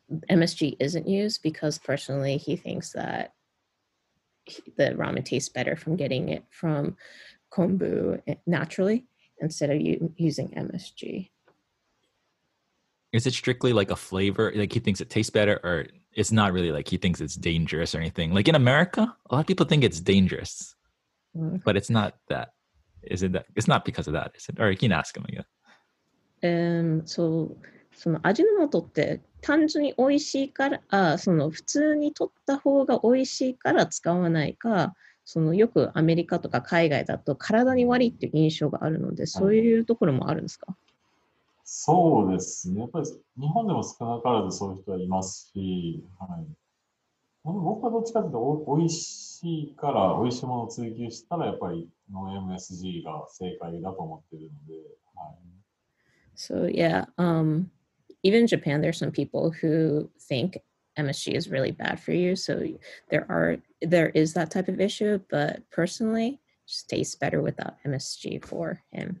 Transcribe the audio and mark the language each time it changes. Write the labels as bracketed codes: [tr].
[en] MSG isn't used because personally he thinks that the ramen tastes better from getting it from kombu naturally instead of using MSG. Is it strictly like a flavor? Like he thinks it tastes better or it's not really like he thinks it's dangerous or anything? Like in America, a lot of people think it's dangerous, but it's not that. Is it that? It's not because of that, is it? Or you can ask him again. [ja] その味の素って単純に美味しいから、その普通に取った方が美味しいから使わないか、そのよくアメリカとか海外だと体に悪いっていう印象があるので、そういうところもあるんですか？そうですね。やっぱり日本でも少なからずそういう人はいますし、はい、でも僕はどっちかというと美味しいから美味しいものを追求したらやっぱりノン MSG が正解だと思ってるので、はい。 [en] So yeah, even in Japan, there are some people who think MSG is really bad for you. So there is that type of issue, but personally, it just tastes better without MSG for him.